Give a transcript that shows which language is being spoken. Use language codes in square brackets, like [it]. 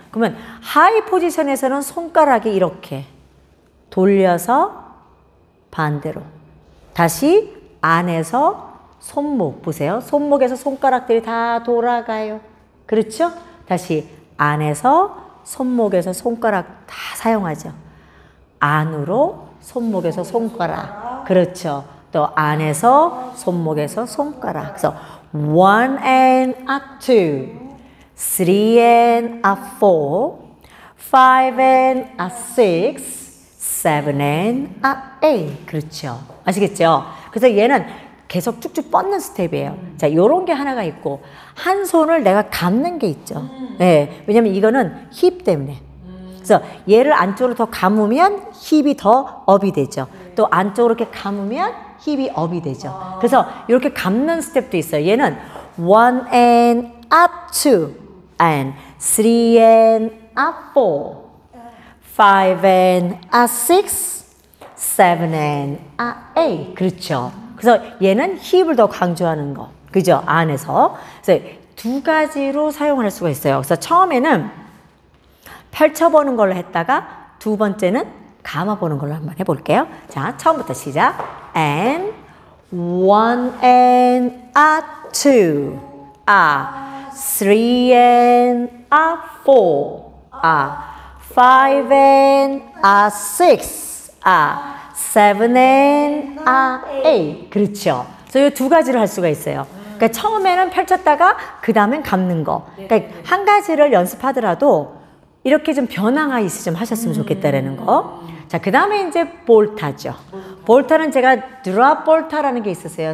[ko] 그러면 하이 포지션에서는 손가락이 이렇게 돌려서 반대로 다시 안에서 손목 보세요. 손목에서 손가락들이 다 돌아가요. 그렇죠? 다시 안에서 손목에서 손가락 다 사용하죠. 안으로 손목에서 손가락 그렇죠. 또 안에서 손목에서 손가락. 그래서 [en] one and a two, three and a four, five and a six, seven and a a. [ko] 그렇죠. 아시겠죠? 그래서 얘는 계속 쭉쭉 뻗는 스텝이에요. 자, 요런 게 하나가 있고, 한 손을 내가 감는 게 있죠. 예. 왜냐면 이거는 힙 때문에. 그래서 얘를 안쪽으로 더 감으면 힙이 더 업이 되죠. 네. 또 안쪽으로 이렇게 감으면 힙이 업이 되죠. 아. 그래서 이렇게 감는 스텝도 있어요. 얘는 [en] one and up two and three and up four, five and a six, seven and a eight. [ko] 그렇죠. 그래서 얘는 힙을 더 강조하는 거, 그죠? 안에서. 그래서 두 가지로 사용할 수가 있어요. 그래서 처음에는 펼쳐보는 걸로 했다가 두 번째는 감아보는 걸로 한번 해볼게요. 자, 처음부터 시작. [en] And one and a two, a three and a four, a five and a six, a seven and a eight. [ko] 그렇죠. 그래서 이 두 가지를 할 수가 있어요. 그러니까 처음에는 펼쳤다가 그 다음엔 감는 거. 그러니까 한 가지를 연습하더라도 이렇게 좀 변화가 있으면 하셨으면 좋겠다라는 거. 자, 그 다음에 이제 볼타죠. 볼타는 제가 드랍 볼타라는 게 있었어요.